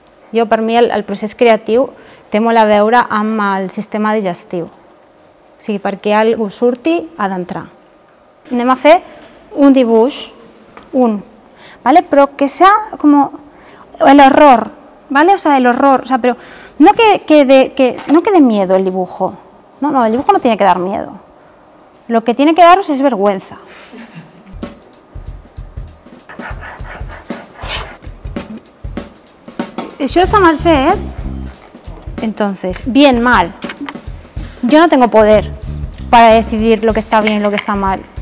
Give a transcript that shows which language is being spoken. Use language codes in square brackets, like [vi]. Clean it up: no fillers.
[ca] Jo, per mi, el procés creatiu té molt a veure amb el sistema digestiu. O sigui, perquè algú surti, ha d'entrar. Anem a fer un dibuix, un, ¿vale? Però [es] que sea [ca] com l'horror, ¿vale? [es] O sea, l'horror, o sea, però no que de miedo el dibujo. No, no, el dibujo no tiene que dar miedo. Lo que tiene que daros es vergüenza. [ca] Això està mal fet, [es] entonces, bien, mal. Yo no tengo poder para decidir lo que está bien y lo que está mal.